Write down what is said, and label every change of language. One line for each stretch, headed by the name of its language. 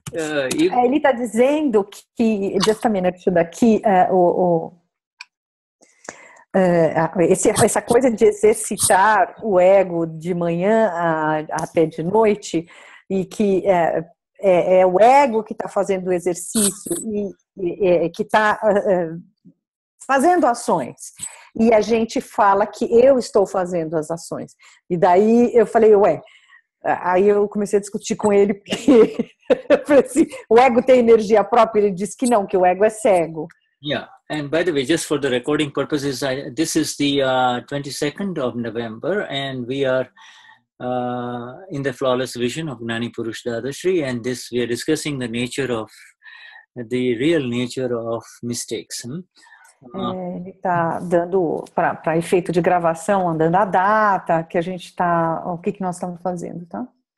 Portuguese: Ele está dizendo que,
English: just a minute,
Portuguese: isso daqui, essa coisa de exercitar o ego de manhã até de noite, e que é o ego que está fazendo o exercício e que está fazendo ações. E a gente fala que eu estou fazendo as ações. E daí eu falei, ué. Aí eu comecei a discutir com ele, porque eu falei assim, o ego tem energia própria, ele disse que não, que o ego é cego.
English: Yeah, and by the way, just for the recording purposes, this is the 22nd of November, and we are in the flawless vision of Gnani Purush Dadashri, and this, we are discussing the nature of, the real nature of mistakes.
Portuguese: Ele está dando para efeito de gravação, andando a data que a gente está, o que nós estamos fazendo, tá?